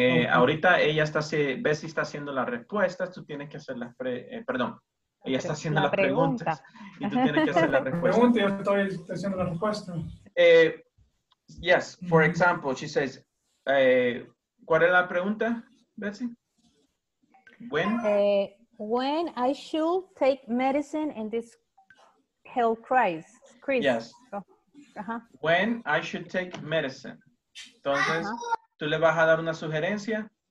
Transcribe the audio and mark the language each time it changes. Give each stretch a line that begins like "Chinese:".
Spanish: Ahorita ella está, Bessie está haciendo las respuestas, tú tienes que hacer las preguntas. Y tú tienes que hacer las respuestas. Pregunta, yo estoy haciendo la respuesta.
English: Yes, for example, she says,
Spanish: ¿cuál es la pregunta,
English: Bessie? When I should take medicine in this health crisis. Yes. Oh. Uh-huh. When I should take medicine. Uh-huh.
Spanish: Entonces, tú le vas a dar una sugerencia.